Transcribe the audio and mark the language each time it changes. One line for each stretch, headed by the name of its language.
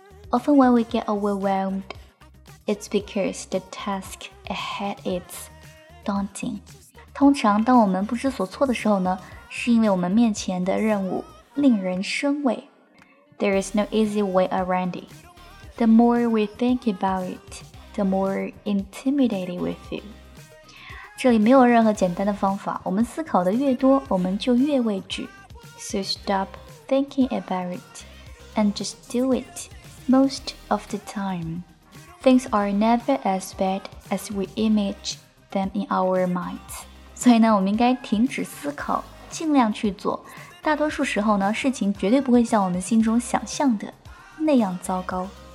English: Often when we get overwhelmed, it's because the task ahead is daunting.
Chinese: 通常当我们不知所措的时候呢，是因为我们面前的任务令人生畏。
English: There is no easy way around it. The more we think about it, the more intimidated we feel.
Chinese: 这里没有任何简单的方法，我们思考的越多，我们就越畏惧。
English: So stop thinking about it and just do it. Most of the time, things are never as bad as we image them in our minds.
Chinese: 所以呢，我们应该停止思考，尽量去做。大多数时候呢，事情绝对不会像我们心中想象的那样糟糕。